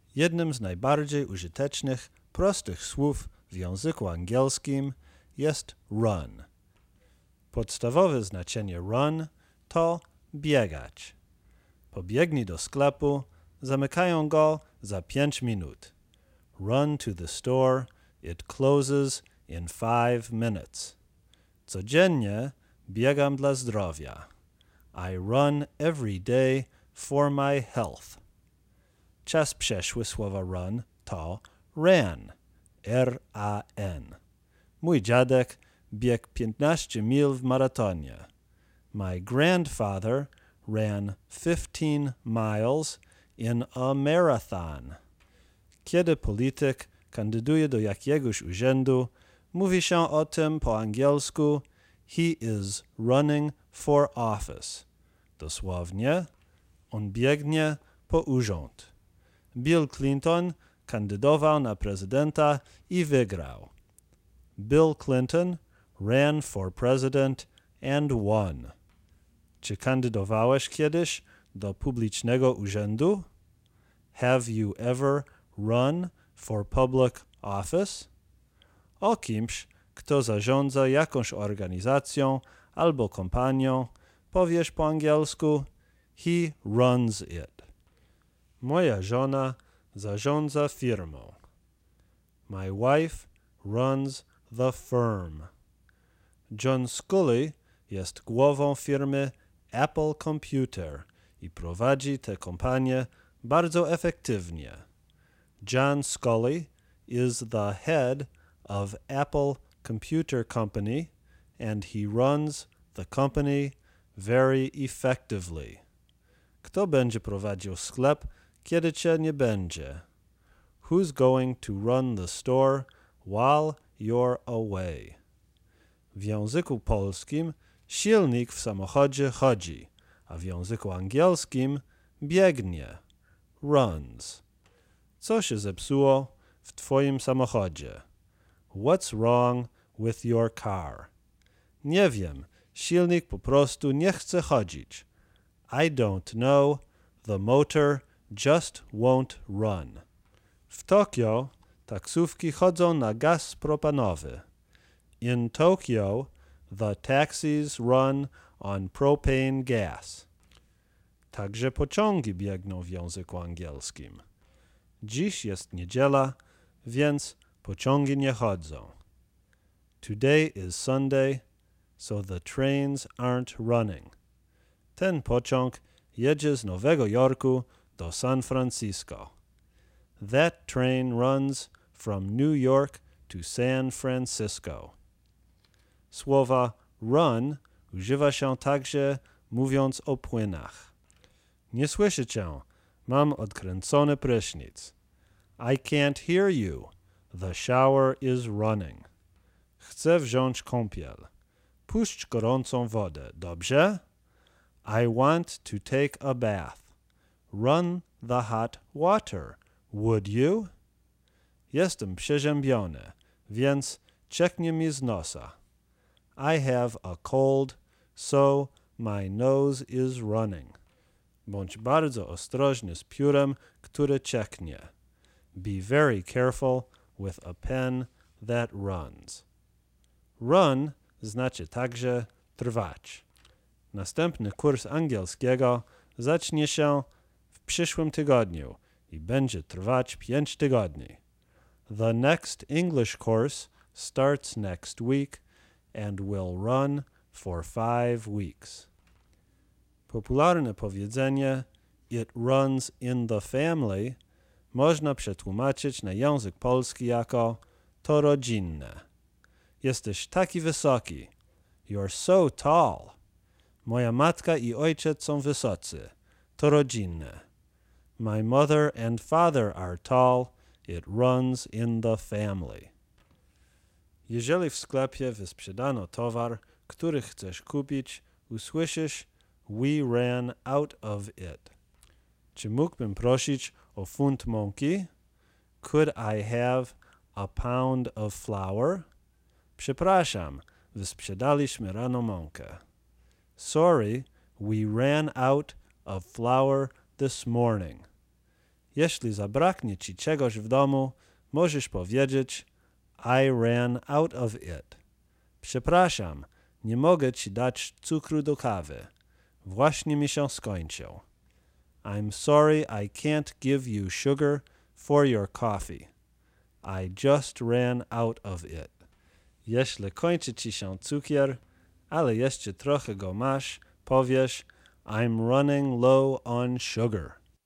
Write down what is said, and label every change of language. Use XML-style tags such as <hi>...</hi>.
<pl>Jednym z najbardziej użytecznych, prostych słów w języku angielskim jest run. Podstawowe znaczenie run to biegać. Pobiegnij do sklepu, zamykają go za 5 minut.</pl> <en>Run to the store, it closes in 5 minutes.</en> <pl>Codziennie biegam dla zdrowia.</pl> <en>I run every day for my health.</en> <pl>Czas przeszły słowa run to ran, R-A-N. Mój dziadek biegł 15 mil w maratonie.</pl> <en>My grandfather ran 15 miles in a marathon.</en> <pl>Kiedy polityk kandyduje do jakiegoś urzędu, mówi się o tym po angielsku</pl> <en>he is running for office.</en> <pl>Dosłownie, on biegnie po urząd. Bill Clinton kandydował na prezydenta i wygrał.</pl> <en>Bill Clinton ran for president and won.</en> <pl>Czy kandydowałeś kiedyś do publicznego urzędu?</pl> <en>Have you ever run for public office?</en> <pl>O kimś, kto zarządza jakąś organizacją albo kompanią, powiesz po angielsku</pl> <en>he runs it.</en> <pl>Moja żona zarządza firmą.</pl> <en>My wife runs the firm.</en> <pl>John Sculley jest głową firmy Apple Computer i prowadzi tę kompanię bardzo efektywnie.</pl> <en>John Sculley is the head of Apple Computer Company and he runs the company very effectively.</en> <pl>Kto będzie prowadził sklep, kiedy cię nie będzie?</pl> <en>Who's going to run the store while you're away?</en> <pl>W języku polskim silnik w samochodzie chodzi, a w języku angielskim biegnie, runs. Co się zepsuło w twoim samochodzie?</pl> <en>What's wrong with your car?</en> <pl>Nie wiem, silnik po prostu nie chce chodzić.</pl> <en>I don't know, the motor just won't run.</en> <pl>W Tokio taksówki chodzą na gaz propanowy.</pl> <en>In Tokyo, the taxis run on propane gas.</en> <pl>Także pociągi biegną w języku angielskim. Dziś jest niedziela, więc pociągi nie chodzą.</pl> <en>Today is Sunday, so the trains aren't running.</en> <pl>Ten pociąg jedzie z Nowego Jorku do San Francisco.</pl> <en>That train runs from New York to San Francisco.</en> <pl>Słowa run używa się także mówiąc o płynach. Nie słyszę cię, mam odkręcony prysznic.</pl> <en>I can't hear you, the shower is running.</en> <pl>Chcę wziąć kąpiel. Puść gorącą wodę, dobrze?</pl> <en>I want to take a bath. Run the hot water, would you?</en> <pl>Jestem przeziębiony, więc cieknie mi z nosa.</pl> <en>I have a cold, so my nose is running.</en> <pl>Bądź bardzo ostrożny z piórem, które cieknie.</pl> <en>Be very careful with a pen that runs.</en> <pl>Run znaczy także trwać. Następny kurs angielskiego zacznie się w przyszłym tygodniu i będzie trwać 5 tygodni.</pl> <en>The next English course starts next week and will run for 5 weeks.</en> <pl>Popularne powiedzenie</pl> <en>it runs in the family</en> <pl>można przetłumaczyć na język polski jako to rodzinne. Jesteś taki wysoki.</pl> <en>You're so tall.</en> <pl>Moja matka i ojciec są wysocy. To rodzinne.</pl> <en>My mother and father are tall. It runs in the family.</en> <pl>Jeżeli w sklepie wysprzedano towar, który chcesz kupić, usłyszysz</pl> <en>we ran out of it.</en> <pl>Czy mógłbym prosić o funt mąki?</pl> <en>Could I have a pound of flour?</en> <pl>Przepraszam, wysprzedaliśmy rano mąkę.</pl> <en>Sorry, we ran out of flour this morning.</en> <pl>Jeśli zabraknie ci czegoś w domu, możesz powiedzieć</pl> <en>I ran out of it.</en> <pl>Przepraszam, nie mogę ci dać cukru do kawy. Właśnie mi się skończył.</pl> <en>I'm sorry I can't give you sugar for your coffee. I just ran out of it.</en> <pl>Jeśli kończy ci się cukier, ale jeszcze trochę go masz, powiesz,</pl> <en>I'm running low on sugar.</en>